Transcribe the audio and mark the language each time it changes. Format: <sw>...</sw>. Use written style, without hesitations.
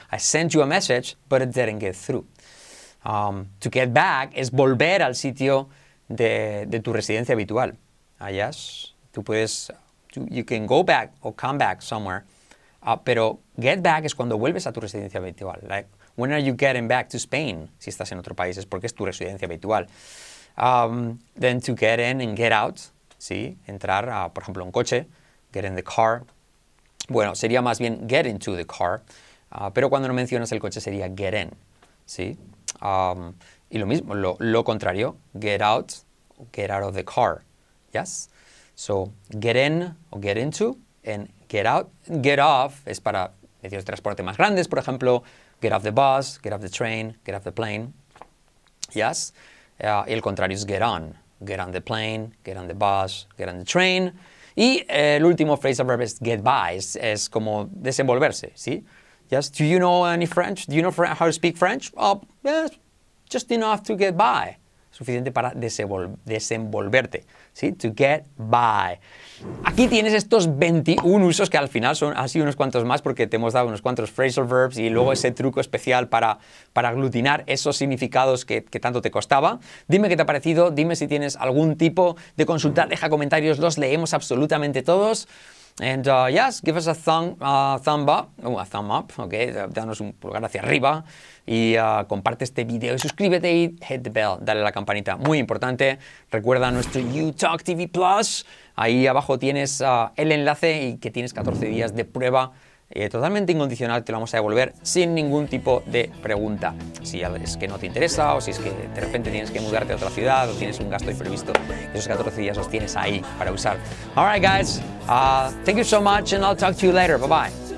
<en>I sent you a message, but it didn't get through. To get back</en> <es>es volver al sitio de tu residencia habitual. Yes, tú puedes,</es> <en>you can go back or come back somewhere.</en> <es>Pero get back es cuando vuelves a tu residencia habitual.</es> <en>Like, when are you getting back to Spain?</en> <es>Si estás en otro país es porque es tu residencia habitual.</es> <en>Then to get in and get out,</en> <es>¿sí? Entrar, por ejemplo, un coche,</es> <en>get in the car.</en> <es>Bueno, sería más bien</es> <en>get into the car.</en> <es>Pero cuando no mencionas el coche sería get in, ¿sí? Y lo mismo, lo contrario,</es> <en>get out of the car,</en> <es>¿yes?</es> <en>So, get in o get into, and get out, get off</en> <es>es para medios de transporte más grandes, por ejemplo,</es> <en>get off the bus, get off the train, get off the plane, ¿yes?</en> <es>Y el contrario es</es> <en>get on the plane, get on the bus, get on the train.</en> <es>Y el último phrasal verb es</es> <en>get by,</en> <es>es como desenvolverse, ¿sí?</es> <en>Yes, do you know any French? Do you know how to speak French? Yes, just enough to get by.</en> <es>Suficiente para desenvolverte, ¿sí?</es> <en>To get by.</en> <es>Aquí tienes estos 21 usos que al final han sido unos cuantos más porque te hemos dado unos cuantos phrasal verbs y luego ese truco especial para aglutinar esos significados que tanto te costaba. Dime qué te ha parecido, dime si tienes algún tipo de consulta, deja comentarios, los leemos absolutamente todos.</es> <en>And yes, give us a thumb up, okay,</en> <es>danos un pulgar hacia arriba y comparte este video, suscríbete y</es> <en>hit the bell,</en> <es>dale a la campanita, muy importante. Recuerda nuestro YouTalk TV Plus, ahí abajo tienes el enlace y que tienes 14 días de prueba totalmente incondicional, te lo vamos a devolver sin ningún tipo de pregunta. Si es que no te interesa o si es que de repente tienes que mudarte a otra ciudad o tienes un gasto imprevisto, esos 14 días los tienes ahí para usar.</es> <en>All right, guys. Thank you so much and I'll talk to you later. Bye-bye.</en>